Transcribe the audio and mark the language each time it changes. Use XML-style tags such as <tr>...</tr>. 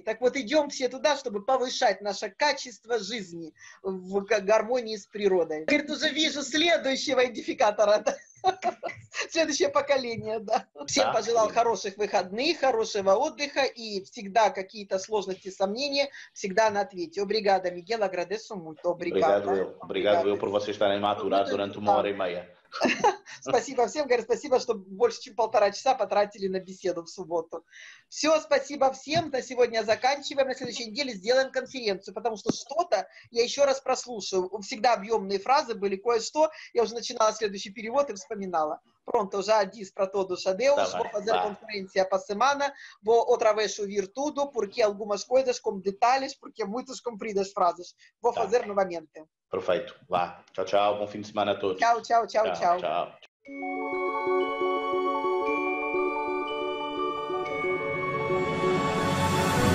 <ru>Так вот, идем все туда, чтобы повышать наше качество жизни в гармонии с природой. Говорит, уже вижу следующего идентификатора. Да? Следующее поколение, да. Всем пожелал хороших выходных, хорошего отдыха и всегда какие-то сложности, сомнения, всегда на ответе.</ru> <pt>Obrigada, Miguel, agradeço muito. Obrigado, por vocês estarem maturados durante uma hora e meia.</pt> <ru>Спасибо всем, говорю, спасибо, что больше, чем полтора часа потратили на беседу в субботу. Все, спасибо всем, на сегодня заканчиваем, на следующей неделе сделаем конференцию, потому что что-то я еще раз прослушаю. Всегда объемные фразы были, кое-что, я уже начинала следующий перевод и вспоминала.</ru> <pt>Pronto, já diz para todos adeus, vou fazer conferência para semana, vou outra vez ouvir tudo, porque algumas coisas como detalhes, porque muitas compridas frases, vou fazer novamente. Perfeito, vá. Tchau, tchau, bom fim de semana a todos. Tchau, tchau, tchau, tchau. Tchau.</pt>